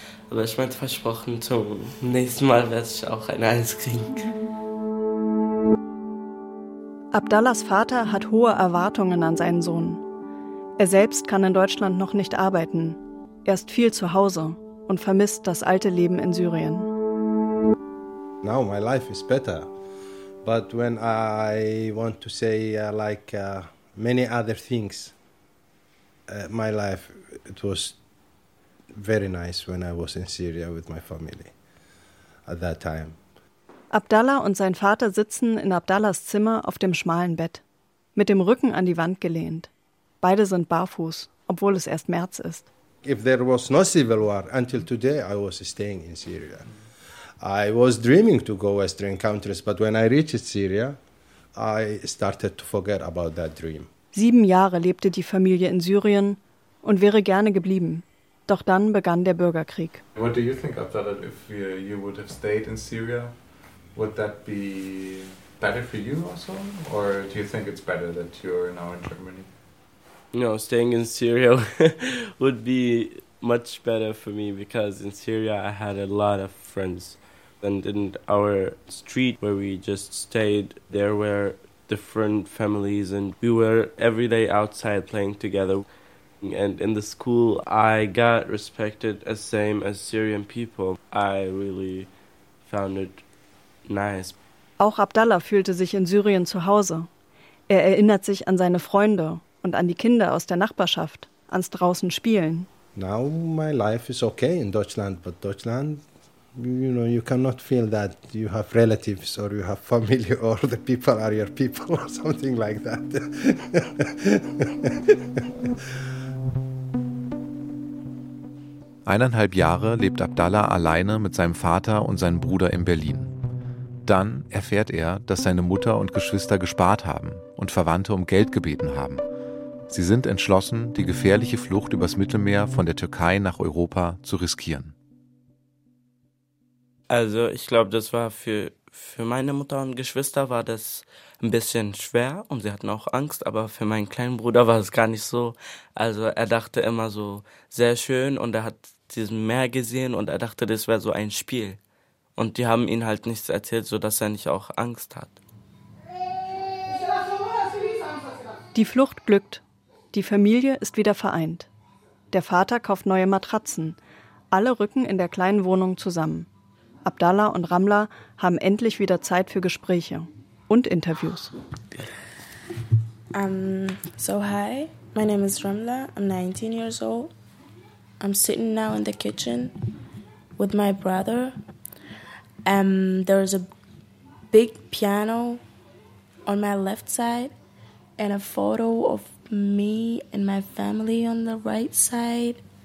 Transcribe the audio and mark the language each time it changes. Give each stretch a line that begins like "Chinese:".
German: Aber ich meinte versprochen, zum nächsten Mal werde ich auch eine 1 kriegen. Abdallahs Vater hat hohe Erwartungen an seinen Sohn. Er selbst kann in Deutschland noch nicht arbeiten. Er ist viel zu Hause und vermisst das alte Leben in Syrien.
English: Now my life is better. But when I want to say many other things, my life, it was very nice when I was in Syria with my family at that time.
German: Abdallah und sein Vater sitzen in Abdallahs Zimmer auf dem schmalen Bett, mit dem Rücken an die Wand gelehnt. Beide sind barfuß, obwohl es erst März ist.
English: If there was no civil war until today, I was staying in Syria. I was dreaming to go Western countries, but when I reached Syria, I started to forget about that dream.
German: 7 Jahre lebte die Familie in Syrien und wäre gerne geblieben. Doch dann begann der Bürgerkrieg.
English: What do you think, Abdallah, if you would have stayed in Syria? Would that be better for you also? Or do you think it's better that you're now in Germany? No, staying in Syria would be much better for me, because in Syria I had a lot of friends. And in our street where we just stayed, there were different families and we were every day outside playing together. And in the school, I got respected as same as Syrian people. I really found it nice.
German: Auch Abdallah fühlte sich in Syrien zu Hause. Er erinnert sich an seine Freunde und an die Kinder aus der Nachbarschaft, ans draußen Spielen.
English: Now my life is okay in Deutschland, but Deutschland, you know, you cannot feel that you have relatives or you have family or the people are your people or something like that.
German: Eineinhalb Jahre lebt Abdallah alleine mit seinem Vater und seinem Bruder in Berlin. Dann erfährt er, dass seine Mutter und Geschwister gespart haben und Verwandte um Geld gebeten haben. Sie sind entschlossen, die gefährliche Flucht übers Mittelmeer von der Türkei nach Europa zu riskieren. Also ich glaube, das war für meine Mutter und Geschwister war das ein bisschen schwer und sie hatten auch Angst, aber für meinen kleinen Bruder war es gar nicht so. Also er dachte immer so sehr schön und er hat dieses Meer gesehen und er dachte, das wäre so ein Spiel. Und die haben ihm halt nichts erzählt, sodass er nicht auch Angst hat. Die Flucht glückt. Die Familie ist wieder vereint. Der Vater kauft neue Matratzen. Alle rücken in der kleinen Wohnung zusammen. Abdallah und Ramla haben endlich wieder Zeit für Gespräche und Interviews.
English: So hi, my name is Ramla, I'm 19 years old. I'm sitting now in the kitchen with my brother. There's a big piano on my left side and a photo of me and my family on the right side.